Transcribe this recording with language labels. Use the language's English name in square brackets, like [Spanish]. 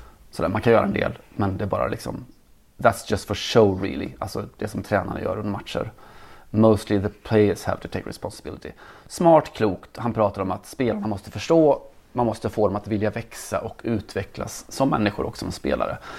[Swedish] Så där, man kan göra en del, men det är bara liksom, [English] that's just for show really, [Swedish] alltså det som tränarna gör under matcher. [English] Mostly the players have to take responsibility. [Swedish] Smart, klokt, han pratar om att spelarna måste förstå, man måste få dem att vilja växa och utvecklas som människor och som spelare.